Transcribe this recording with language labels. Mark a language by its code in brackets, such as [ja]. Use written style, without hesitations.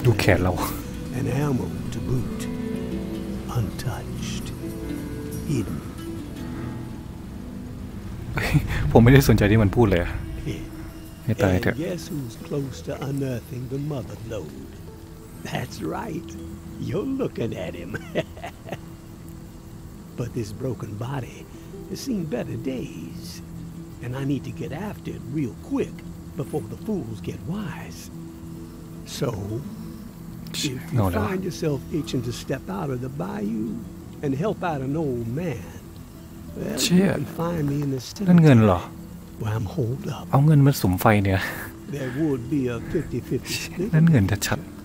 [th] ดูแขนเรา [en] And ammo to boot, untouched. [th] ผมไม่ได้สนใจที่มันพูดเลยให้ตายเถอะ [en] Guess who's close to unearthing the mother load? That's right. You're looking at him. But this broken body has seen better days. And I need to get after it real quick before the fools get wise. So, if you find yourself itching to step out of the bayou,And help out an old man. Shit. [th] นั่นเงินเหรอ [en] I'm holed up. [th] เอาเงินมาสุมไฟเนี่ย 50-50 นั่นเงินชัด